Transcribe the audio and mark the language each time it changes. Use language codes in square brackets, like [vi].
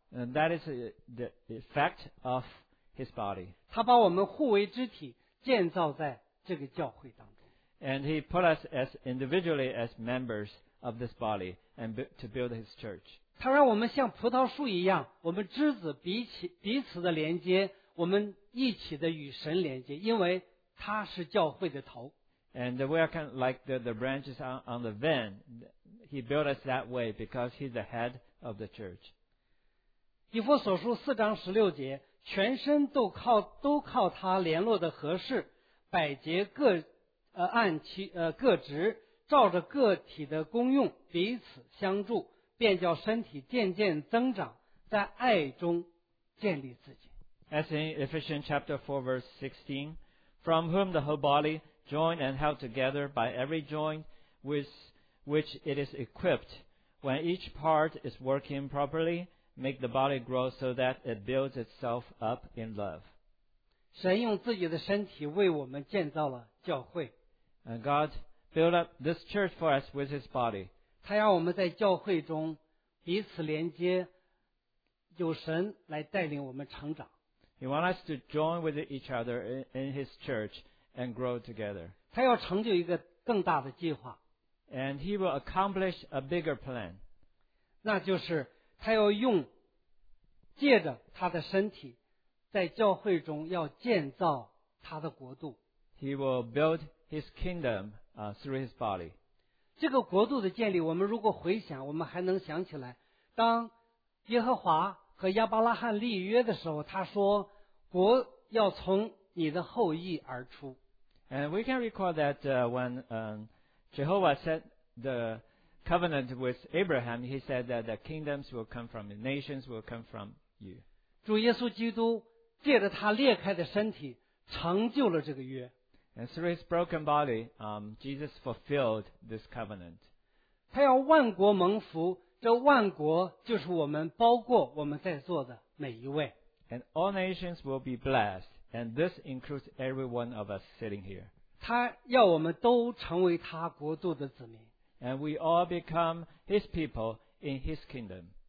[en] And that is the effect of his body. [zh] 他把我们互为肢体建造在这个教会当中。 [en] And he put us as individually as members of this body and to build his church. [zh] 他让我们像葡萄树一样，我们枝子彼此的连接，我们一起的与神连接，因为他是教会的头。 [en] And we are kind of like the branches on the vine. He built us that way because he's the head of the church. [zh] 以弗所书4章16节，全身都靠他联络的合适，百节各按其各职，照着个体的功用彼此相助。便叫身体渐渐增长，在爱中建立自己。 [en] As in Ephesians chapter 4 verse 16, from whom the whole body, joined and held together by every joint with which it is equipped, when each part is working properly, make the body grow so that it builds itself up in love. [zh] 神用自己的身体为我们建造了教会。 [en] And God built up this church for us with his body. [zh] 他让我们在教会中彼此连接，有神来带领我们成长。 [en] He wants us to join with each other in his church and grow together. [zh] 他要成就一个更大的计划。 [en] And he will accomplish a bigger plan. [zh] 那就是他要用借着他的身体在教会中要建造他的国度。 [en] He will build his kingdom through his body. [zh] 这个国度的建立，我们如果回想，我们还能想起来，当耶和华和亚伯拉罕立约的时候，他说：“国要从你的后裔而出。” [en] And we can recall that when Jehovah set the covenant with Abraham, he said that the kingdoms will come from you, nations will come from you. [zh] 主耶稣基督借着他裂开的身体成就了这个约。 [en] And through his broken body, Jesus fulfilled this covenant. [zh] 他要万国蒙福，这万国就是我们包括我们在座的每一位。 [en] And all nations will be blessed, and this includes every one of us sitting here. [zh] 他要我们都成为他国度的子民。 [en] And we all become his people in his kingdom.